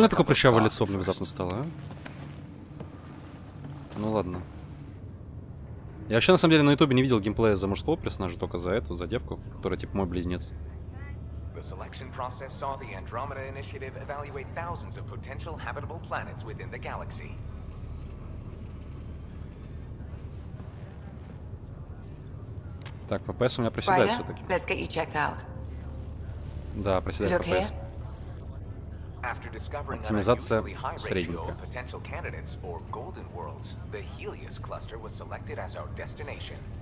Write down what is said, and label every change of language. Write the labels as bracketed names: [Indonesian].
[Russian] Почему у меня такое прыщавое лицо внезапно стало, а? Ну ладно. Я вообще на самом деле на ютубе не видел геймплея за мужского персонажа, только за эту, за девку, которая типа мой близнец. [English] The selection process saw the Andromeda Initiative evaluate thousands of potential habitable planets within the galaxy. [Russian] Так, ППС у меня проседает Ryder, все-таки. [English] Let's get you checked out. [Russian] Да, проседает ППС. [English] Here? [Russian] Оптимизация средненькая. [English] Potential candidates for Golden Worlds, the Helios cluster was selected as our destination.